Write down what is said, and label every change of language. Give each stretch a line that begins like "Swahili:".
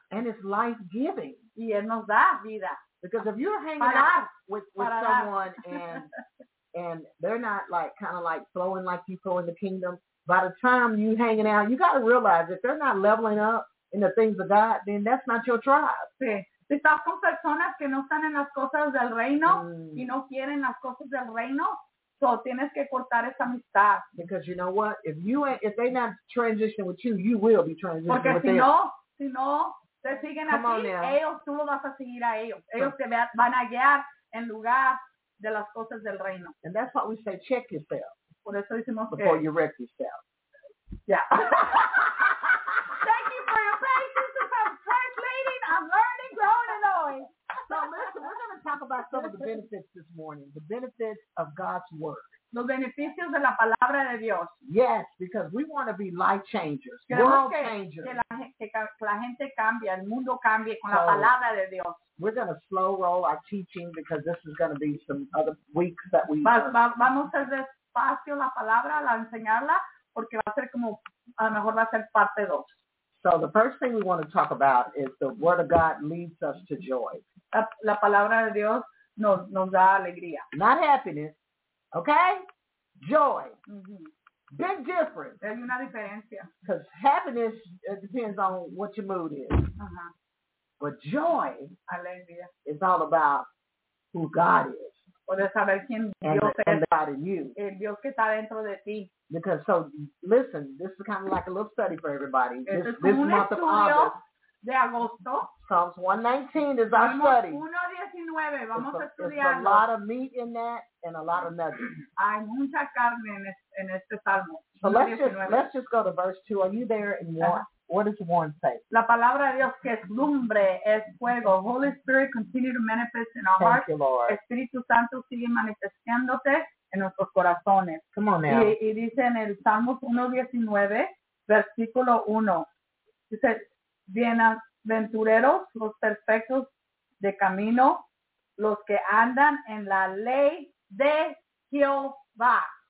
English: And it's life giving.
Spanish: Y él nos da vida.
English: Because if you're hanging
Spanish: para
English: out with someone and they're not like kind of like flowing like you flow in the kingdom, by the time you hanging out, you got to realize if they're not leveling up in the things of God, then that's not your tribe.
Spanish: Sí. Si estás con personas que no están en las cosas del reino y no quieren las cosas del reino. So, tienes que cortar esa amistad.
English: Because you know what? If you if they not transition with you, you will be transitioning
Spanish: Porque
English: with
Spanish: si
English: them.
Spanish: Porque si no, te siguen
English: Come
Spanish: a ti, ellos, tú lo vas a seguir a ellos. Ellos te van a guiar en lugar de las cosas del reino.
English: And that's what we say, check yourself.
Spanish: Por eso decimos
English: before
Spanish: que...
English: Before you wreck yourself. Yeah. Thank you for your patience about translating. I'm learning, growing, and knowing. Talk about some of the benefits this morning. The benefits of God's work.
Spanish: Los beneficios de la palabra de Dios.
English: Yes, because we want to be life changers,
Spanish: Queremos que,
English: changers.
Spanish: Que la gente cambie, el mundo cambie con la palabra de Dios.
English: We're going to slow roll our teaching because this is going to be some other weeks that we.
Spanish: Vamos a hacer despacio la palabra, la enseñarla, porque va a ser como a lo mejor va a ser parte dos.
English: So the first thing we want to talk about is the word of God leads us to joy.
Spanish: La palabra de Dios nos da alegría.
English: Not happiness, okay? Joy. Mm-hmm. Big difference.
Spanish: Hay una diferencia.
English: Because happiness depends on what your mood is. Uh-huh. But joy
Spanish: alegría.
English: Is all about who God is.
Spanish: Poder saber quién Dios
English: and
Spanish: es.
English: God in you.
Spanish: El Dios que está dentro de ti.
English: Because, so, listen, this is kind of like a little study for everybody. This month of August.
Spanish: De agosto.
English: Psalms 119 is our study. It's a lot of meat in that and a lot of nuggets.
Spanish: Hay mucha carne en este salmo.
English: So let's just go to verse 2. Are you there in What does Warren say?
Spanish: La palabra de Dios que es lumbre, es fuego.
English: Holy Spirit, continue to manifest in our Thank hearts. Thank you, Lord.
Spanish: Espíritu Santo sigue manifestándote en nuestros corazones.
English: Come on now.
Spanish: Y dice en el Salmos 119, versículo 1. Dice, bienaventureros los perfectos de camino, los que andan en la ley de Jehová.